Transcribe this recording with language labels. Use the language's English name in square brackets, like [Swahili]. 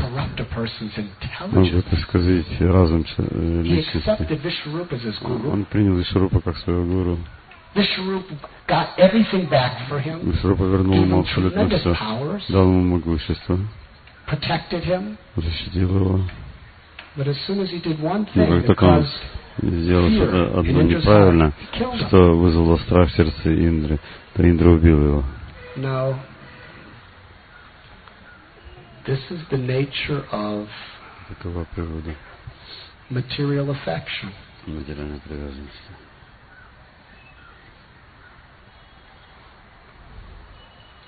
[English] can corrupt a person's intelligence. [Russian] Может исказить разум личности. [English] He accepted Vishwaroop as his guru. [Russian] Он принял Вишварупу как своего гуру. [English] Vishwaroop got everything back for him. [Russian] Вишварупа вернул ему абсолютно все, дал ему могущество, [English] protected him. [Russian] Защитил его. [English] But as soon as he did one thing, it caused [Russian] сделал что-то одно неправильно, что вызвало страх в сердце Индры, то Индра убил его. Такова природа материальной привязанности.